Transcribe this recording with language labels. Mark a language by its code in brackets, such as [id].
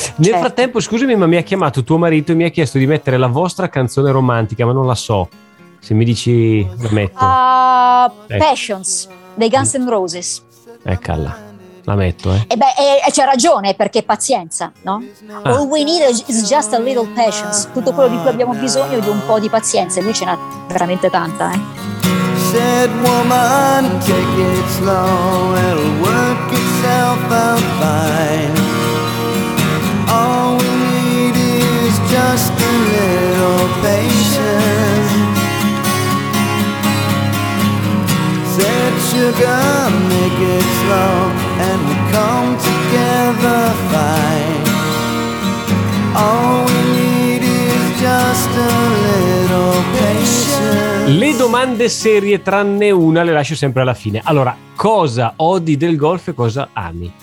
[it] Nel frattempo, scusami, ma mi ha chiamato tuo marito e mi ha chiesto di mettere la vostra canzone romantica, ma non la so. Se mi dici, la metto. Passions, dei Guns N' Roses. Eccola, la metto. E c'è ragione, perché pazienza, no? [en] All we need is just a little patience. [it] Tutto quello di cui abbiamo bisogno è di un po' di pazienza. E lui ce n'ha veramente tanta, [en] Said woman, take it slow, it'll work itself out fine. All we need is just a little patience. Said sugar, make it slow, and we'll come together fine. All we need is just a little patience. [it] Le domande serie, tranne una, le lascio sempre alla fine. Allora, cosa odi del golf e cosa ami?